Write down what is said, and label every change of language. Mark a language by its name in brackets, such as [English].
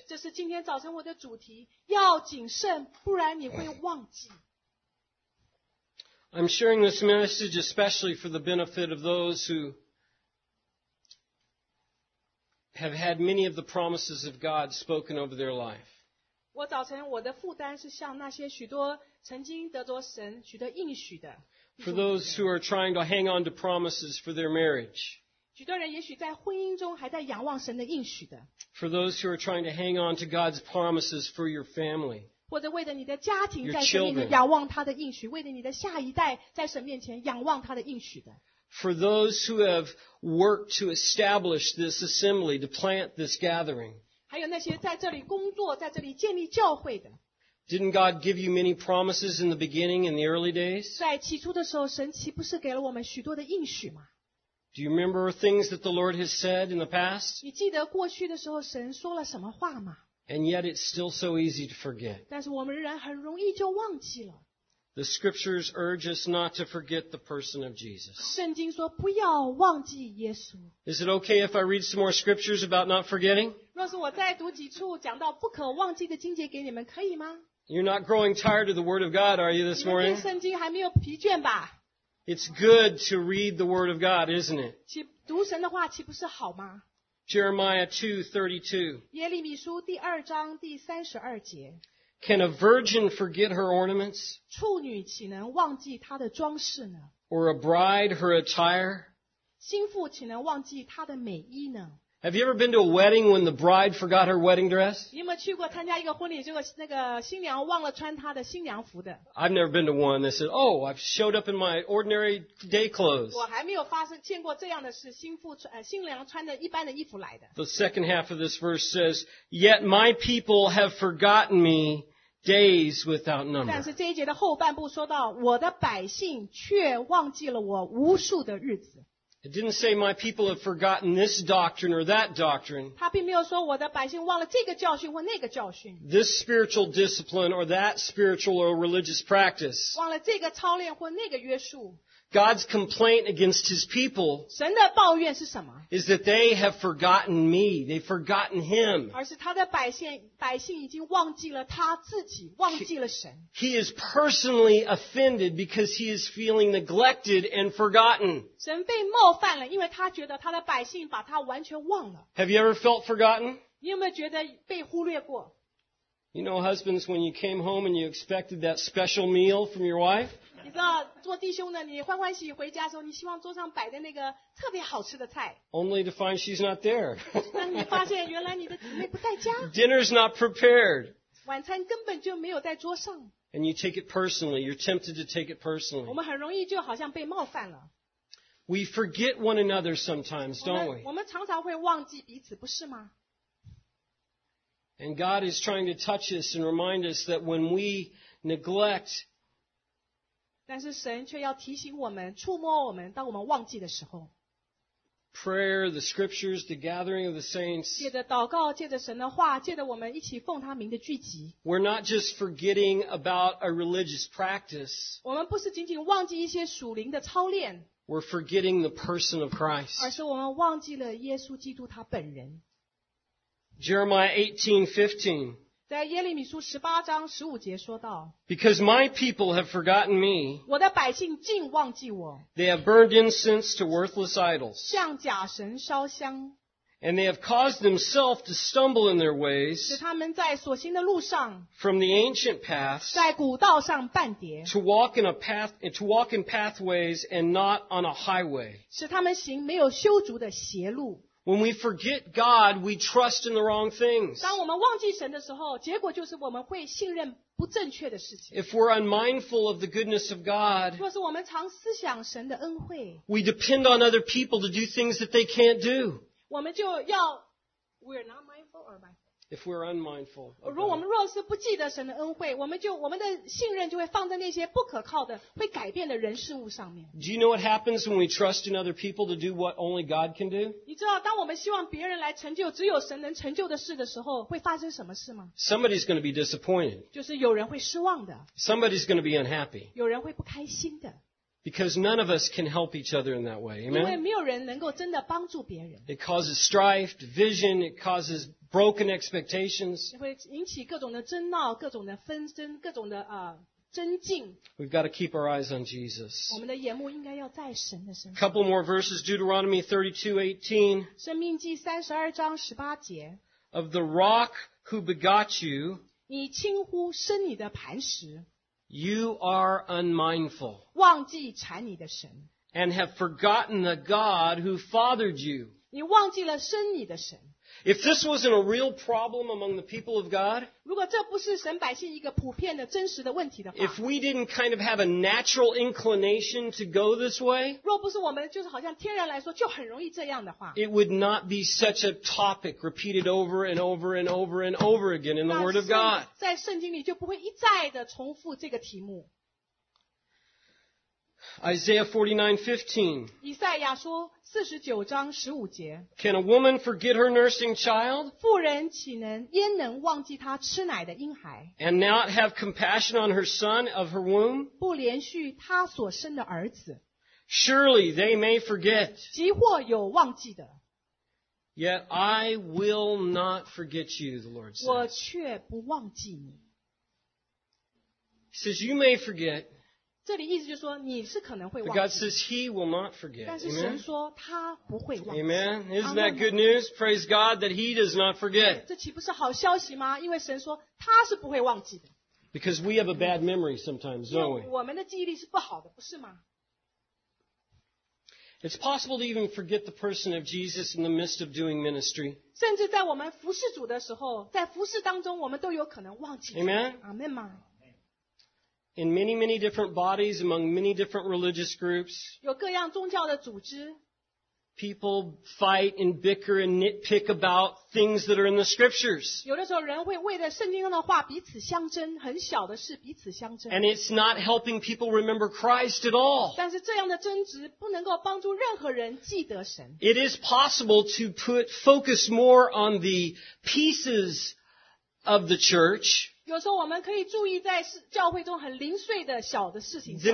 [Chinese] 这是今天早晨我的主题，要谨慎，不然你会忘记。 [English] I'm sharing this message especially for the benefit of those who have had many of the promises of God spoken over their life. [Chinese] 我早晨我的负担是向那些许多曾经得着神许多应许的。 [English] For those who are trying to hang on to promises for their marriage. [Chinese] 许多人也许在婚姻中还在仰望神的应许的。 [English] For those who are trying to hang on to God's promises for your family. [Chinese] 或者为了你的家庭在神面前仰望他的应许，为了你的下一代在神面前仰望他的应许的。 [English] For those who have worked to establish this assembly, to plant this gathering. [Chinese] 还有那些在这里工作，在这里建立教会的。 [English] Didn't God give you many promises in the beginning, in the early days? [Chinese] 在起初的时候，神岂不是给了我们许多的应许吗？ [English] Do you remember things that the Lord has said in the past? [Chinese] 你记得过去的时候，神说了什么话吗？ [English] And yet it's still so easy to forget. [Chinese] 但是我们仍然很容易就忘记了。 [English] The scriptures urge us not to forget the person of Jesus. [Chinese] 圣经说不要忘记耶稣。 [English] Is it okay if I read some more scriptures about not forgetting? [Chinese] 若是我再读几处讲到不可忘记的经节给你们，可以吗？ [English] You're not growing tired of the word of God, are you, this morning? [Chinese] 你们对圣经还没有疲倦吧？ [English] It's good to read the word of God, isn't it? [Chinese] 读神的话岂不是好吗？ [English] Jeremiah 2:32. [Chinese] 耶利米书第二章第三十二节。 [English] Can a virgin forget her ornaments? [Chinese] 处女岂能忘记她的装饰呢？ [English] Or a bride her attire? [Chinese] 新妇岂能忘记她的美衣呢？ [English] Have you ever been to a wedding when the bride forgot her wedding dress? [Chinese] 你有没有去过参加一个婚礼，结果那个新娘忘了穿她的新娘服的？ [English] I've never been to one that said, "Oh, I've showed up in my ordinary day clothes." [Chinese] 我还没有发生见过这样的事，新娘穿着一般的衣服来的。 [English] The second half of this verse says, "Yet my people have forgotten me." Days without number. [Chinese] 但是这一节的后半部说到，我的百姓却忘记了我无数的日子。 [English] It didn't say my people have forgotten this doctrine or that doctrine. [Chinese] 他并没有说我的百姓忘了这个教训或那个教训。 [English] This spiritual discipline or that spiritual or religious practice. [Chinese] 忘了这个操练或那个约束。 [English] God's complaint against his people [Chinese] 神的抱怨是什么? [English] Is that they have forgotten me. They've forgotten him. [Chinese] 而是他的百姓已经忘记了他自己,忘记了神。 [English] He is personally offended because he is feeling neglected and forgotten. [Chinese] 神被冒犯了,因为他觉得他的百姓把他完全忘了。 [English] Have you ever felt forgotten? [Chinese] 你有没有觉得被忽略过? [English] You know, husbands, when you came home and you expected that special meal from your wife, [Chinese] 你知道做弟兄的你欢欢喜回家的时候你希望桌上摆的那个特别好吃的菜 [English] Only to find she's not there [Chinese] 那你发现原来你的姊妹不在家 [English] Dinner's not prepared [Chinese] 晚餐根本就没有在桌上 [English] And you take it personally You're tempted to take it personally [Chinese] 我们很容易就好像被冒犯了 [English] We forget one another sometimes, don't we? [Chinese] 我们常常会忘记彼此不是吗 [English] And God is trying to touch us and remind us that when we neglect [Chinese] 但是神却要提醒我们触摸我们当我们忘记的时候 [English] Prayer, the scriptures, the gathering of the saints [Chinese] 借着祷告借着神的话借着我们一起奉他名的聚集 [English] We're not just forgetting about a religious practice [Chinese] 我们不是仅仅忘记一些属灵的操练 [English] We're forgetting the person of Christ [Chinese] 而是我们忘记了耶稣基督他本人 [English] Jeremiah 18:15 [Chinese] 在耶利米书十八章十五节说道 [English] Because my people have forgotten me, [Chinese] 我的百姓竟忘记我 [English] They have burned incense to worthless idols, [Chinese] 向假神烧香 [English] And they have caused themselves to stumble in their ways [Chinese] 使他们在所行的路上, [English] from the ancient paths, [Chinese] 在古道上半跌, [English] to walk in pathways and not on a highway. [Chinese] 使他们行没有修筑的邪路。 [English] When we forget God, we trust in the wrong things. [Chinese] 当我们忘记神的时候，结果就是我们会信任不正确的事情。 [English] If we're unmindful of the goodness of God, [Chinese] 若是我们常思想神的恩惠， [English] we depend on other people to do things that they can't do. [Chinese] 我们就要 [English] we're not mindful or mindful. If we're unmindful, [Chinese] 如果我们若是不记得神的恩惠，我们的信任就会放在那些不可靠的、会改变的人事物上面。 [English] Do you know what happens when we trust in other people to do what only God can do? [Chinese] 你知道当我们希望别人来成就只有神能成就的事的时候，会发生什么事吗？ [English] Somebody's going to be disappointed. [Chinese] 就是有人会失望的。 [English] Somebody's going to be unhappy. [Chinese] 有人会不开心的。 [English] Because none of us can help each other in that way. Amen? [Chinese] 因为没有人能够真的帮助别人。 [English] It causes strife, division, it causes broken expectations. [Chinese] 会引起各种的争闹、各种的纷争、各种的争竞。 [English] We've got to keep our eyes on Jesus. [Chinese] 我们的眼目应该要在神的身上。 [English] Couple more verses, Deuteronomy 32:18. [Chinese] 生命记32章18节。 [English] Of the rock who begot you, [Chinese] 你轻呼生你的磐石。 [English] You are unmindful, [Chinese] 忘记产你的神, [English] and have forgotten the God who fathered you. [Chinese] 你忘记了生你的神。 [English] If this wasn't a real problem among the people of God, [Chinese] 如果这不是神百姓一个普遍的真实的问题的话, [English] if we didn't kind of have a natural inclination to go this way, [Chinese] 若不是我们就是好像天然来说就很容易这样的话, [English] it would not be such a topic repeated over and over and over and over again in the Word of God. [Chinese] 在圣经里就不会一再的重复这个题目。 [English] Isaiah 49:15. [Chinese] 以赛亚书49章15节。 [English] Can a woman forget her nursing child? [Chinese] 妇人岂能焉能忘记她吃奶的婴孩？ [English] And not have compassion on her son of her womb? [Chinese] 不连续她所生的儿子。 [English] Surely they may forget. [Chinese] 即或有忘记的。 [English] Yet I will not forget you, the Lord says. [Chinese] 我却不忘记你。 [English] He says, you may forget. [Chinese] 这里意思就是说你是可能会忘记 [English] God says he will not forget. [Chinese] 但是神说他不会忘记 [English] Amen. Isn't that good news? Praise God that he does not forget. [Chinese] 这岂不是好消息吗因为神说他是不会忘记的 [English] Because we have a bad memory sometimes, don't we? [Chinese] 我们的记忆力是不好的不是吗 [English] It's possible to even forget the person of Jesus in the midst of doing ministry. [Chinese] 甚至在我们服侍主的时候在服侍当中我们都有可能忘记 [English] Amen. Amen. In many, many different bodies, among many different religious groups, [Chinese] 有各样宗教的组织 [English] people fight and bicker and nitpick about things that are in the scriptures. [Chinese] 有的时候人会为了圣经中的话彼此相争，很小的事彼此相争 [English] And it's not helping people remember Christ at all. [Chinese] 但是这样的争执不能够帮助任何人记得神 [English] It is possible to put focus more on the pieces of the church. [Chinese] 有时候我们可以注意在教会中很零碎的小的事情上。